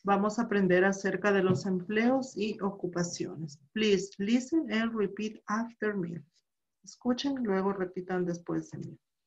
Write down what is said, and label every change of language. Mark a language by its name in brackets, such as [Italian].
[Spanish] Vamos a aprender acerca de los empleos y ocupaciones. [English] Please listen and repeat after me. [Spanish] Escuchen y luego repitan después de mí.